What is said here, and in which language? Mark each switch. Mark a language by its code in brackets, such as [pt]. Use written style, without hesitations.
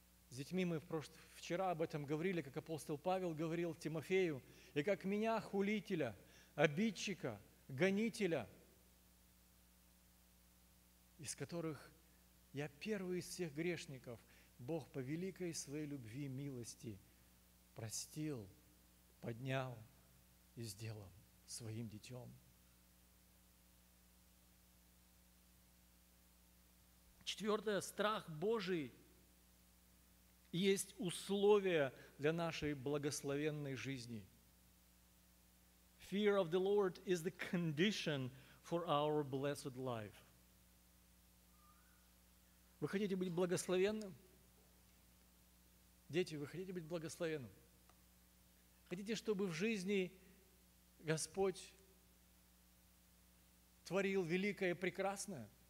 [ru] С детьми мы вчера об этом говорили, как апостол Павел говорил Тимофею, и как меня, хулителя, обидчика, гонителя, из которых я первый из всех грешников, Бог по великой своей любви и милости простил, поднял и сделал своим детем. Четвертое. Страх Божий есть условие для нашей благословенной жизни. [en] Fear of the Lord is the condition for our blessed life. [ru] Вы хотите быть благословенным? Дети, вы хотите быть благословенным? Хотите, чтобы в жизни Господь творил великое и прекрасное?